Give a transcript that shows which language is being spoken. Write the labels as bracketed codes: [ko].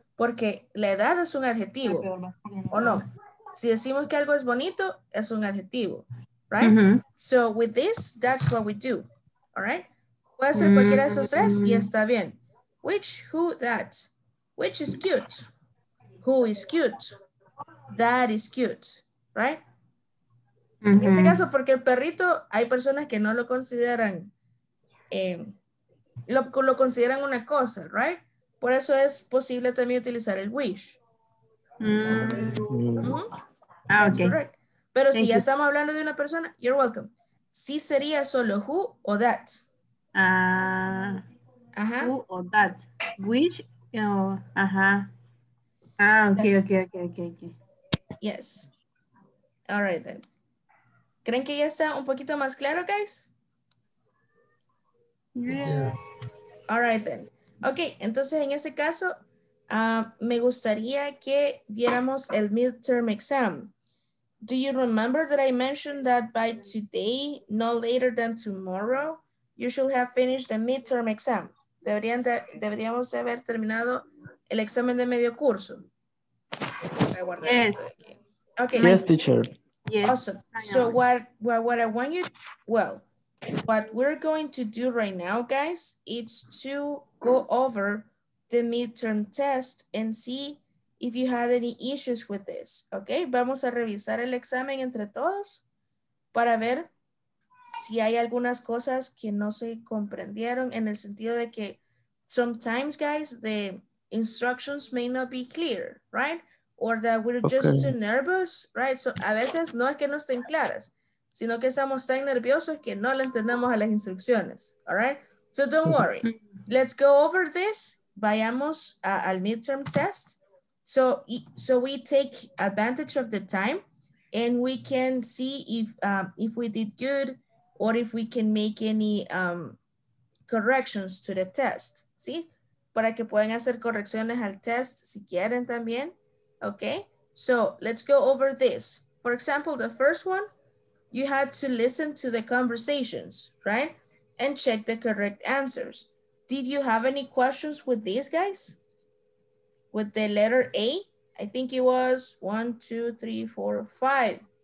[es] Porque la edad es un adjetivo, ¿o no? Si decimos que algo es bonito, es un adjetivo, right? Mm-hmm. [en] So with this, that's what we do, all right? [es] Puede ser cualquiera de esos tres y está bien. [en] Which, who, that? Which is cute? Who is cute? That is cute, right? Mm-hmm. [es] En este caso, porque el perrito, hay personas que no lo consideran, lo consideran una cosa, right? Por eso es posible también utilizar el wish. [en] Mm-hmm. Ah, okay. Correct. [es] Pero [en] thank [es] si ya [en] you. [es] Estamos hablando de una persona, [en] you're welcome. [es] Sí sería solo who o that. Ajá. Who o that. Wish o, ajá. Ah, okay, okay, okay, okay, okay. [en] Yes. All right then. [es] ¿Creen que ya está un poquito más claro, guys? [en] Yeah. All right then. [es] Ok, entonces en ese caso, me gustaría que viéramos el midterm exam. [en] Do you remember that I mentioned that by today, no later than tomorrow, you should have finished the midterm exam? [es] Deberíamos haber terminado el examen de medio curso. [en] Yes. Okay. Yes, teacher. Yes. Awesome. So what I want you, well, what we're going to do right now, guys, is to go over the midterm test and see if you had any issues with this. [es] Okay, vamos a revisar el examen entre todos para ver si hay algunas cosas que no se comprendieron en el sentido de que [en] sometimes, guys, the instructions may not be clear, right? Or that we're just too nervous, right? [es] So a veces no es que no estén claras, sino que estamos tan nerviosos que no le entendemos a las instrucciones, [en] all right? So don't worry. Let's go over this. [es] Vayamos al midterm test. [en] So we take advantage of the time and we can see if we did good or if we can make any corrections to the test, [es] ¿sí? Para que puedan hacer correcciones al test si quieren también, okay? [en] So let's go over this. For example, the first one, you had to listen to the conversations, right? And check the correct answers. Did you have any questions with these guys? With the letter A? I think it was 1, 2, 3, 4, 5.